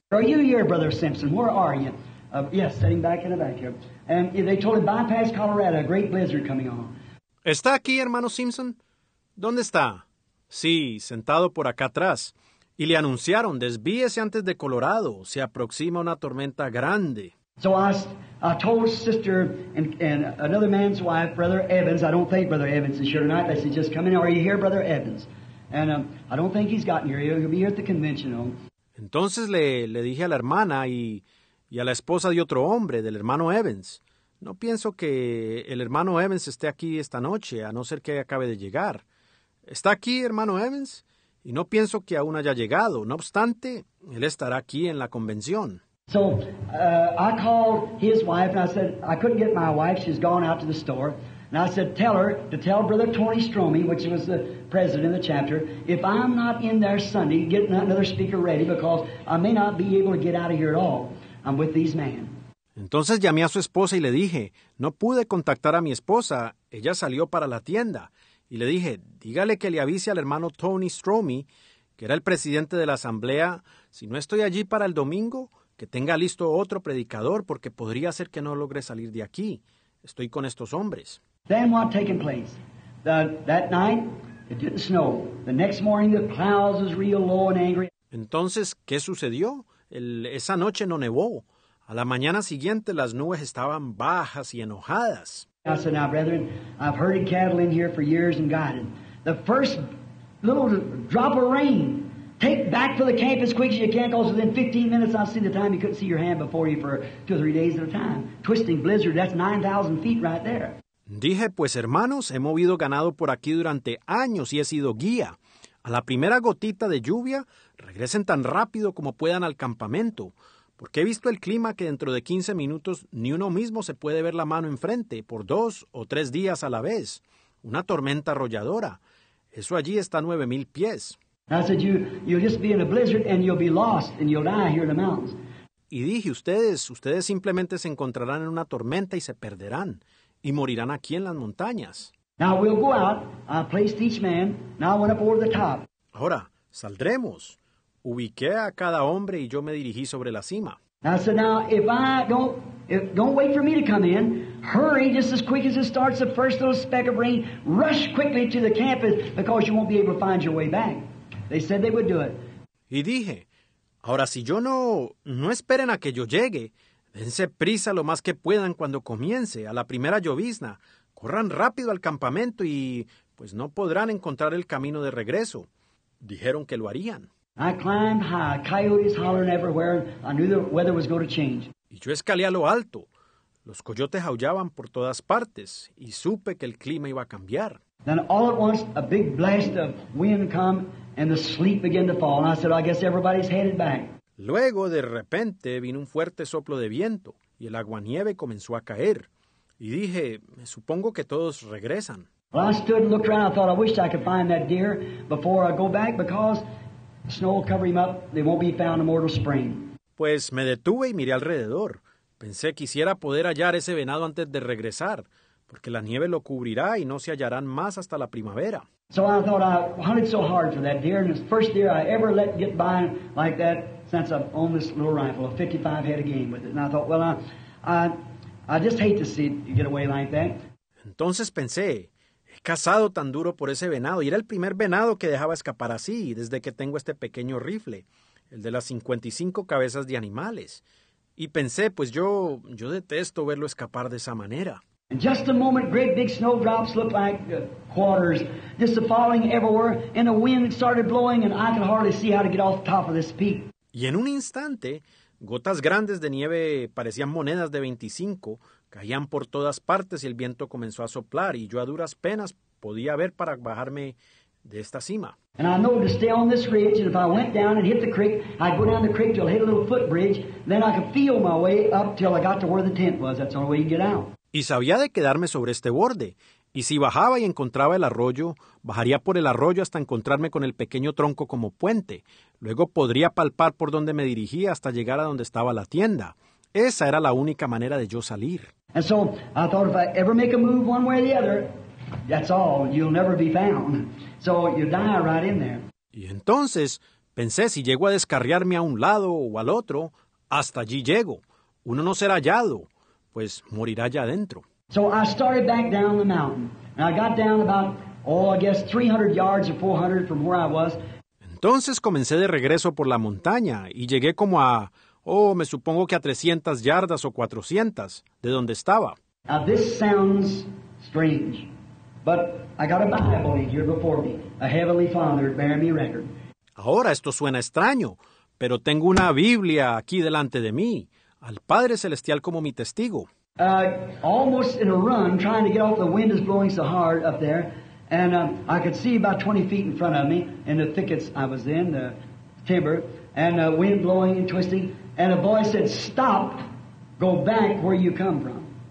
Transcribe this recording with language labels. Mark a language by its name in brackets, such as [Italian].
[English] Are you here, Brother Simpson? Where are you? Yes, sitting back in the back here. And they told him, bypass Colorado, a great blizzard coming on. [Spanish] ¿Está aquí, hermano Simpson? ¿Dónde está? Sí, sentado por acá atrás. Y le anunciaron, desvíese antes de Colorado, se aproxima una tormenta grande. [English] So I told sister and another man's wife, Brother Evans, I don't think Brother Evans is here tonight, but he's just coming. Are you here, Brother Evans? And I don't think he's gotten here. He'll be here at the convention. [Spanish] Entonces le dije a la hermana y a la esposa de otro hombre, del hermano Evans. No pienso que el hermano Evans esté aquí esta noche, a no ser que acabe de llegar. ¿Está aquí, hermano Evans? Y no pienso que aún haya llegado. No obstante, él estará aquí en la convención. [English] So, I called his wife and I said, I couldn't get my wife, she's gone out to the store. And I said, tell her to tell Brother Tony Stromey, which was the president of the chapter, if I'm not in there Sunday, get another speaker ready because I may not be able to get out of here at all. I'm with these men. [Spanish] Entonces llamé a su esposa y le dije, no pude contactar a mi esposa, ella salió para la tienda. Y le dije, dígale que le avise al hermano Tony Stromey, que era el presidente de la asamblea, si no estoy allí para el domingo, que tenga listo otro predicador, porque podría ser que no logre salir de aquí. Estoy con estos hombres. [English] Then what taken place? That night, it didn't snow. The next morning, the clouds was real low and angry. [Spanish] Entonces, ¿qué sucedió? Esa noche no nevó. A la mañana siguiente, las nubes estaban bajas y enojadas. [English] I said, now, brethren, I've herded cattle in here for years and got it. The first little drop of rain, take back to the camp as quick as you can, because within 15 minutes, I'll see the time you couldn't see your hand before you for 2 or 3 days at a time. Twisting blizzard, that's 9,000 feet right there. [Spanish] Dije, pues, hermanos, he movido ganado por aquí durante años y he sido guía. A la primera gotita de lluvia, regresen tan rápido como puedan al campamento. Porque he visto el clima que dentro de 15 minutos ni uno mismo se puede ver la mano enfrente por 2 o 3 días a la vez. Una tormenta arrolladora. Eso allí está a 9,000 pies. [English] I said, you'll just be in a blizzard and you'll be lost and you'll die here in the mountains. [Spanish] Y dije, ustedes simplemente se encontrarán en una tormenta y se perderán. Y morirán aquí en las montañas. [English] Now we'll go out, I placed each man, now I went up over the top. [Spanish] Ahora, saldremos. Ubiqué a cada hombre y yo me dirigí sobre la cima. [English] I said, now, don't wait for me to come in. Hurry just as quick as it starts the first little speck of rain. Rush quickly to the campus because you won't be able to find your way back. They said they would do it. [Spanish] Y dije, ahora si yo no esperen a que yo llegue, dense prisa lo más que puedan cuando comience, a la primera llovizna. Corran rápido al campamento y pues no podrán encontrar el camino de regreso. Dijeron que lo harían. [English] I climbed high, coyotes hollering everywhere, and I knew the weather was going to change. [Spanish] Y yo escalé a lo alto. Los coyotes aullaban por todas partes, y supe que el clima iba a cambiar. [English] Then all at once, a big blast of wind come, and the sleet began to fall. And I said, I guess everybody's headed back. [Spanish] Luego, de repente, vino un fuerte soplo de viento, y el aguanieve comenzó a caer. Y dije, supongo que todos regresan. [English] Well, I stood and looked around. I thought, I wish I could find that deer before I go back, because snow will cover him up. They won't be found in mortal spring. [Spanish] Pues me detuve y miré alrededor. Pensé quisiera poder hallar ese venado antes de regresar, porque la nieve lo cubrirá y no se hallarán más hasta la primavera. [English] So I thought I hunted so hard for that deer, and it's the first deer I ever let get by like that since I've owned this little rifle, a 55 head of game with it. And I thought, well, I just hate to see it get away like that. [Spanish] Entonces pensé, he cazado tan duro por ese venado, y era el primer venado que dejaba escapar así, desde que tengo este pequeño rifle, el de las 55 cabezas de animales. Y pensé, pues yo detesto verlo escapar de esa manera. [English] In just a moment, great big snowdrops looked like quarters, just falling everywhere, and the wind started blowing, and I could hardly see how to get off the top of this peak. [Spanish] Y en un instante, gotas grandes de nieve parecían monedas de 25, caían por todas partes y el viento comenzó a soplar y yo a duras penas podía ver para bajarme de esta cima. [English] And I know to stay on this ridge, and if I went down and hit the creek, I'd go down the creek till I hit a little footbridge, then I could feel my way up till I got to where the tent was. That's the only way you get out. [Spanish] Y sabía de quedarme sobre este borde, y si bajaba y encontraba el arroyo, bajaría por el arroyo hasta encontrarme con el pequeño tronco como puente. Luego podría palpar por donde me dirigía hasta llegar a donde estaba la tienda. Esa era la única manera de yo salir. [English] And so, I thought if I ever make a move one way or the other, That's all. You'll never be found. So you die right in there. [Spanish] Y entonces, pensé, si llego a descarriarme a un lado o al otro, hasta allí llego. Uno no será hallado, pues morirá allá adentro. [English] So I started back down the mountain. And I got down about, oh, I guess 300 yards or 400 from where I was. [Spanish] Entonces comencé de regreso por la montaña y llegué como a, oh, me supongo que a 300 yardas o 400 de donde estaba. [English] Now this sounds strange, but I got a Bible here before me, a Heavenly Father bearing me record. [Spanish] Ahora esto suena extraño, pero tengo una Biblia aquí delante de mí, al Padre Celestial como mi testigo. [English] Almost in a run, trying to get off, the wind is blowing so hard up there. And I could see about 20 feet in front of me in the thickets I was in, the timber, and the wind blowing and twisting. And a voice said, stop, go back where you come from.